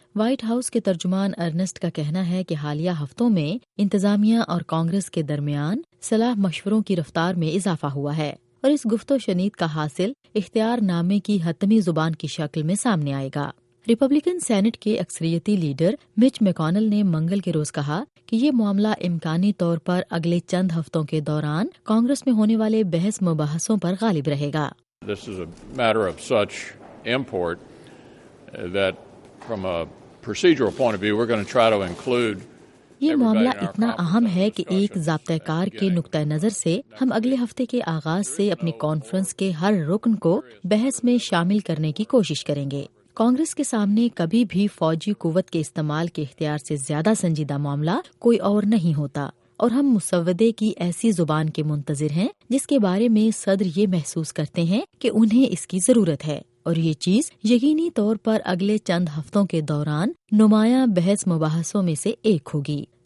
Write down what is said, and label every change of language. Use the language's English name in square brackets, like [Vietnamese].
[Urdu] White house کے ترجمان Ernest کا کہنا ہے کہ حالیہ ہفتوں میں انتظامیہ اور کانگریس کے درمیان صلاح مشوروں کی رفتار میں اضافہ ہوا ہے اور اس گفت و شنید کا حاصل اختیار نامے کی حتمی زبان کی شکل میں سامنے آئے گا. ریپبلکن سینٹ کے اکثریتی لیڈر مچ میکونل نے منگل کے روز کہا کہ یہ معاملہ امکانی طور پر اگلے چند ہفتوں کے دوران کانگریس میں ہونے والے بحث مباحثوں پر غالب رہے گا. [English] This is a matter of such import that from a procedural point of view we're going to try to include. [Urdu] یہ معاملہ اتنا اہم ہے کہ ایک ضابطہ کار کے نقطۂ نظر سے ہم اگلے ہفتے کے آغاز سے اپنی کانفرنس کے ہر رکن کو بحث میں شامل کرنے کی کوشش کریں گے. کانگریس کے سامنے کبھی بھی فوجی قوت کے استعمال کے اختیار سے زیادہ سنجیدہ معاملہ کوئی اور نہیں ہوتا اور ہم مسودے کی ایسی زبان کے منتظر ہیں جس کے بارے میں صدر یہ محسوس کرتے ہیں کہ انہیں اس کی ضرورت ہے اور یہ چیز یقینی طور پر اگلے چند ہفتوں کے دوران نمایاں بحث مباحثوں میں سے ایک ہوگی.